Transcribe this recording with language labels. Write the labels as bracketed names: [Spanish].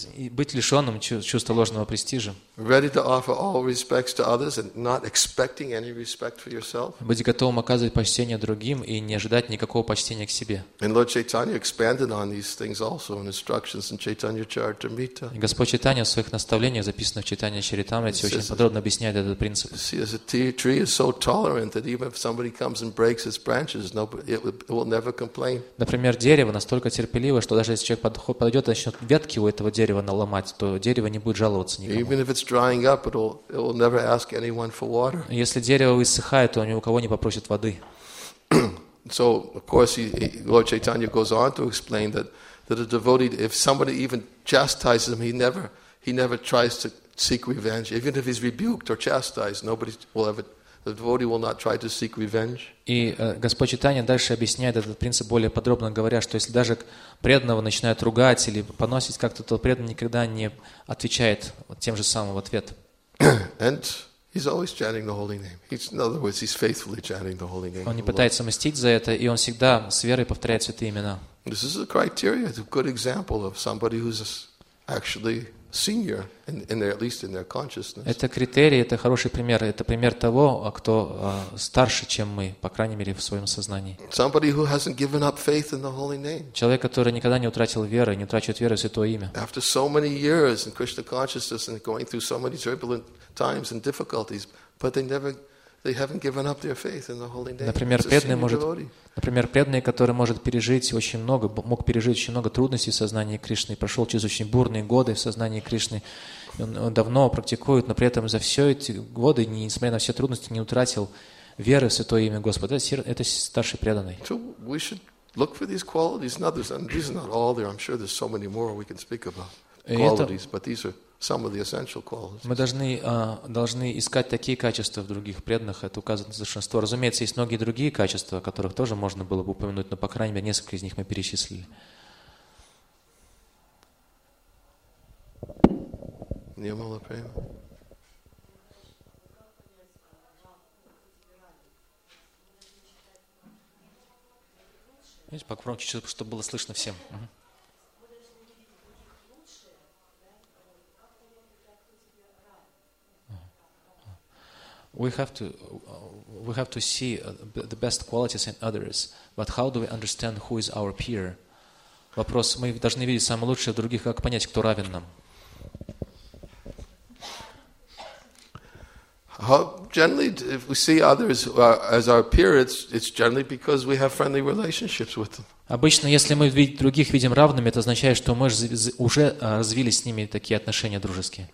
[Russian] Быть лишенным чувства ложного престижа. [English] Ready to offer all respects to others and not expecting any respect for yourself. [Russian] Быть готовым оказывать почтение другим и не ожидать никакого почтения к себе. [English] And Lord Chaitanya expanded on these things also in instructions in Chaitanya Charitamrita. [Russian] И Господь Чайтанья в своих наставлениях, записанных в Чайтанья Чаритамрите, очень подробно объясняет этот принцип. [English] See, as a tree is so tolerant that even if somebody comes and breaks its branches, it will never complain. [Russian] Например, дерево настолько терпеливо, что даже если человек подойдет и начнет ветки у этого дерева наломать, то дерево не будет жаловаться никому. [English] Even if it's drying up, it will never ask anyone for water. [Russian] Если дерево высыхает, то ни у кого не попросит воды. [English] So, of course, Lord Chaitanya goes on to explain that a devotee, if somebody even chastises him, he never tries to seek revenge. Even if he's rebuked or chastised, nobody will ever. The devotee will not try to seek revenge. [Russian] И Господь Чайтанья дальше объясняет этот принцип более подробно, говоря, что если даже преданного начинают ругать или поносить как-то, то преданный никогда не отвечает тем же самым в ответ. [English] And he's always chanting the holy name. In other words, he's faithfully chanting the holy name. [Russian] Он не пытается мстить за это, и он всегда с верой повторяет святые имена. [English] This is a criteria, a good example of somebody who's actually senior in their, at least in their consciousness. [Russian] Это критерий, это хороший пример, это пример того, кто старше, чем мы, по крайней мере, в своем сознании. [English] Somebody who hasn't given up faith in the holy name. [Russian] Человек, который никогда не утратил веры, не утрачивает веру в святое имя. [English] After so many years in Krishna consciousness and going through so many turbulent times and difficulties, but they haven't given up their faith in the holy name. [Russian] Например, преданный, который может пережить очень много, мог пережить очень много трудностей в сознании Кришны, прошел через очень бурные годы в сознании Кришны, он давно практикует, но при этом за все эти годы, несмотря на все трудности, не утратил веры в святое имя Господа. Это старший преданный. [English] So we should look for these qualities in others, and these are not all there. I'm sure there's so many more we can speak about qualities, but these are some of the essential qualities. [Russian] Мы должны искать такие качества в других преданных, это указывает на совершенство. Разумеется, есть многие другие качества, о которых тоже можно было бы упомянуть, но, по крайней мере, несколько из них мы перечислили. Не было прямо. Видите, покромче, чтобы было слышно всем. [English] We have to see the best qualities in others, but how do we understand who is our peer? [Russian] Вопрос, мы должны видеть самое лучшее в других, как понять, кто равен нам. [English] How generally, if we see others as our peer, it's generally because we have friendly relationships with them. [Russian] Обычно, если мы других видим равными, это означает, что мы уже развили с ними такие отношения дружеские.